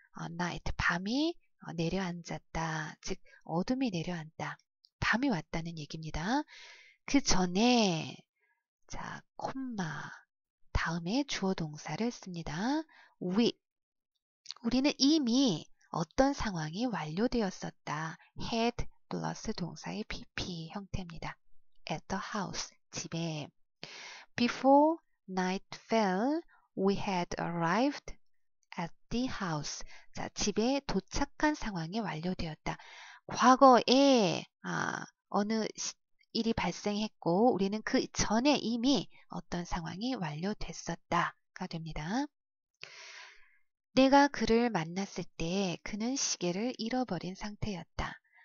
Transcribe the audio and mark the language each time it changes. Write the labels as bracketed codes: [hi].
[ko] night, 밤이 내려앉았다, 즉 어둠이 내려앉다. 밤이 왔다는 얘기입니다. 그 전에, 자, 콤마, 다음에 주어 동사를 씁니다. [en] we. [ko] 우리는 이미 어떤 상황이 완료되었었다. had plus 동사의 pp 형태입니다. [en] at the house, [ko] 집에. [en] before night fell, we had arrived at the house. [ko] 자, 집에 도착한 상황이 완료되었다. 과거에, 어느 일이 발생했고, 우리는 그 전에 이미 어떤 상황이 완료됐었다가 됩니다. 내가 그를 만났을 때, 그는 시계를 잃어버린 상태였다.